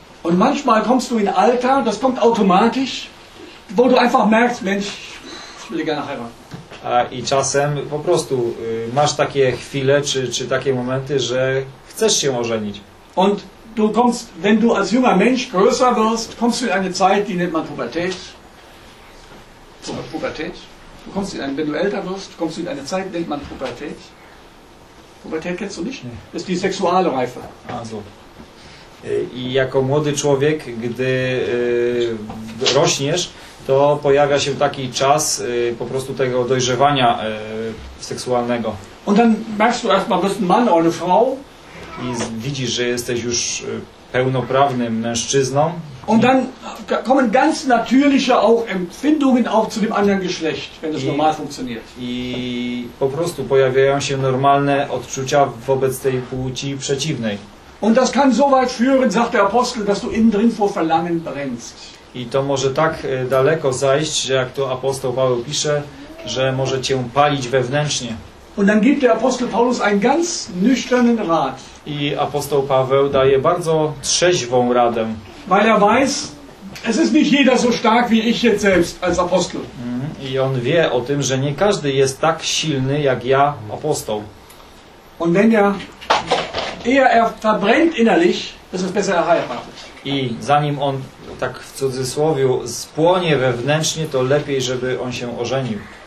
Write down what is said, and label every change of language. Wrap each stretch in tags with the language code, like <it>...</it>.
<de>Und manchmal kommst du in Alter, das kommt automatisch, wo du einfach merkst, Mensch, ich will gerne heiraten.</de> <pl>A i czasem po prostu masz takie chwile czy takie momenty, że chcesz się ożenić.</pl> <de>Und du kommst, wenn du als junger Mensch größer wirst, kommst du in eine Zeit, die nennt man Pubertät. Pubertät. Du kommst in ein, wenn du älter wirst, kommst du in eine Zeit, nennt man Pubertät. Pubertät kennst du nicht? Nee. Das ist die sexuelle Reife. Also.</de> <pl>I jako młody człowiek, gdy rośniesz, to pojawia się taki czas po prostu tego dojrzewania seksualnego.</pl> <de>Und dann merkst du erstmal, bist ein Mann oder eine Frau.</de> <pl>I widzisz, że jesteś już pełnoprawnym mężczyzną.</pl> <de>Und dann kommen ganz natürliche auch Empfindungen auch zu dem anderen Geschlecht, wenn das normal funktioniert.</de> <pl>I po prostu pojawiają się normalne odczucia wobec tej płci przeciwnej.</pl> <de>Und das kann so weit führen, sagt der Apostel, dass du innen drin vor Verlangen brennst.</de> <pl>I to może tak daleko zajść, że jak to apostoł Paweł pisze, że może cię palić wewnętrznie.</pl> <de>Und dann gibt der Apostel Paulus einen ganz nüchternen Rat.</de> <pl>I apostoł Paweł daje bardzo trzeźwą radę.</pl> <de>Weil er weiß, es ist nicht jeder so stark wie ich jetzt selbst als Apostel.</de> <pl>I on wie o tym, że nie każdy jest tak silny jak ja, apostoł.</pl> <de>Und wenn er eher er verbrennt innerlich, ist es besser, er heiratet.</de> <pl>I zanim on tak w cudzysłowie spłonie wewnętrznie, to lepiej, żeby on się ożenił.</pl>